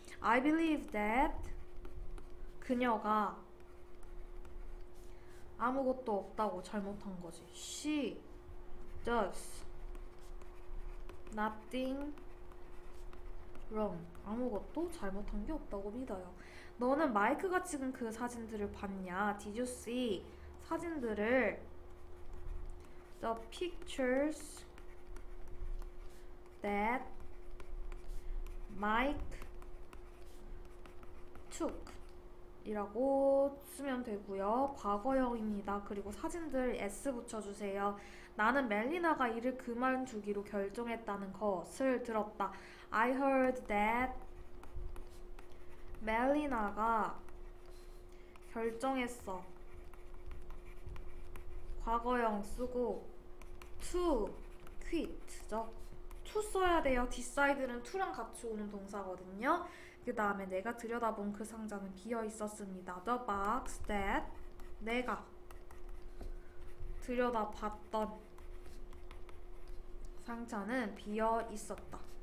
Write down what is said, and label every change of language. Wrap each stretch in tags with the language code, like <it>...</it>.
<en>I believe that</en> <ko>그녀가 아무것도 없다고 잘못한 거지.</ko> <en>She does nothing wrong.</en> <ko>아무것도 잘못한 게 없다고 믿어요. 너는 마이크가 찍은 그 사진들을 봤냐?</ko> <en>Did you see</en> <ko>사진들을?</ko> <en>The pictures that Mike took</en> <ko>이라고 쓰면 되고요. 과거형입니다. 그리고 사진들 S 붙여주세요. 나는 멜리나가 일을 그만두기로 결정했다는 것을 들었다.</ko> <en>I heard that</en> <ko>멜리나가 결정했어. 과거형 쓰고 to quit죠. to 써야 돼요. decide는 to랑 같이 오는 동사거든요. 그 다음에 내가 들여다본 그 상자는 비어 있었습니다.</ko> <en>The box that</en> <ko>내가 들여다봤던 상자는 비어 있었다.</ko>